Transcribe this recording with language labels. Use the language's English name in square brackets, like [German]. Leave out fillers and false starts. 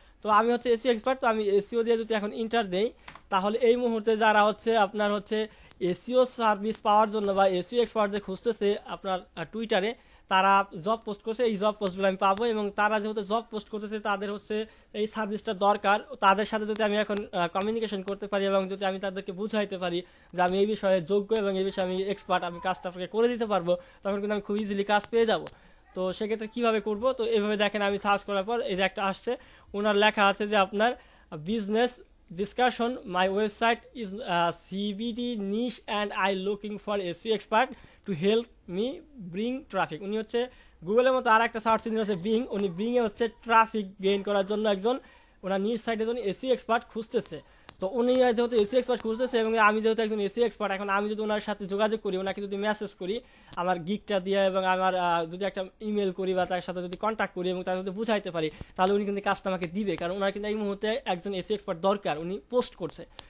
[Bangla] তো আমি হচ্ছে এসিও এক্সপার্ট, তো আমি এসিও দিয়ে যদি এখন ইন্টার দেই তাহলে এই মুহূর্তে যারা হচ্ছে আপনার হচ্ছে এসিও সার্ভিস পাওয়ার জন্য বা এসিও এক্সপার্টদের খুঁজতেছে আপনার টুইটারে, তারা জব পোস্ট করছে, এই জব পোস্টগুলো আমি পাবো, এবং তারা যেহেতু জব পোস্ট করতেছে তাদের হচ্ছে এই সার্ভিসটা দরকার, তাদের সাথে যদি আমি এখন কমিউনিকেশন করতে পারি এবং যদি আমি তাদেরকে বুঝাইতে পারি যে আমি এই বিষয়ে যোগ্য এবং এই বিষয়ে আমি এক্সপার্ট, আমি কাজটাকে করে দিতে পারবো, তখন কিন্তু আমি খুব ইজিলি কাজ পেয়ে যাবো। তো সেক্ষেত্রে কীভাবে করবো, তো এভাবে দেখেন আমি সার্চ করার পর এই যে একটা আসছে, ওনার লেখা আছে যে আপনার business [English] discussion. My website is CBD niche and I looking for SEO expert to help me bring traffic. [Bangla] উনি হচ্ছে গুগলের মতো আর একটা সার্চ ইঞ্জিন আছে বিং, উনি বিং এ হচ্ছে ট্রাফিক গেইন করার জন্য একজন ওনার নিজ সাইটে একজন এসইও এক্সপার্ট খুঁজতেছে। তো উনি যেহেতু এসইও এক্সপার্ট খুঁজতেছে এবং আমি যেহেতু একজন এসইও এক্সপার্ট, এখন আমি যদি ওনার সাথে যোগাযোগ করি, ওনাকে যদি মেসেজ করি আমার গিগটা দিয়ে এবং আমার যদি একটা ইমেল করি বা তার সাথে যদি কন্ট্যাক্ট করি এবং তার সাথে বুঝাইতে পারি, তাহলে উনি কিন্তু কাজটা আমাকে দিবে, কারণ ওনার কিন্তু এই মুহূর্তে একজন এসইও এক্সপার্ট দরকার, উনি পোস্ট করছে।